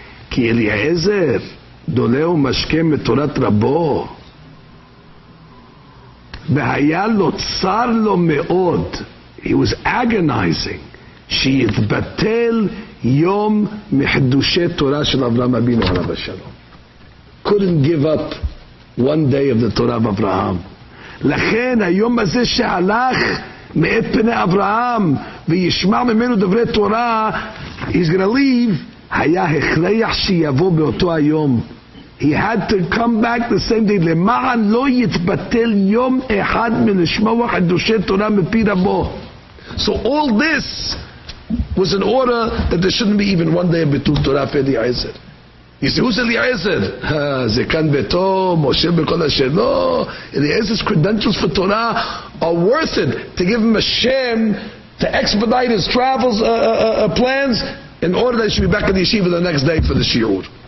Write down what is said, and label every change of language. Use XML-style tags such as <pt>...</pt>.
<he>כי אליעזר דולה ומשכם מתורת רבו והיה לו צר לו מאוד.</he> <en>He was agonizing</en> <he>שיתבטל יום מחדושי תורה של אברהם אבינו עליו השלום.</he> <en>Couldn't give up one day of the Torah of Abraham.</en> <he>לכן היום הזה שהלך מאת פני אברהם וישמע ממנו דברי תורה,</he> <en>he's going to leave,</en> <he>היה הכרח שיבוא באותו היום.</he> <en>He had to come back the same day.</en> <he>למען לא יתבטל יום אחד מלשמוע חדושי תורה מפי רבו.</he> <en>So all this was in order that there shouldn't be even one day of ביטול תורה for the Eliezer. He said, who's Eliezer?</en> <he>זה כאן ביתו, משה בכל אשר.</he> <en>No, Eliezer's credentials for Torah are worth it to give him a shem to expedite his travels, plans, in order that he should be back at the yeshiva the next day for the shiur.</en>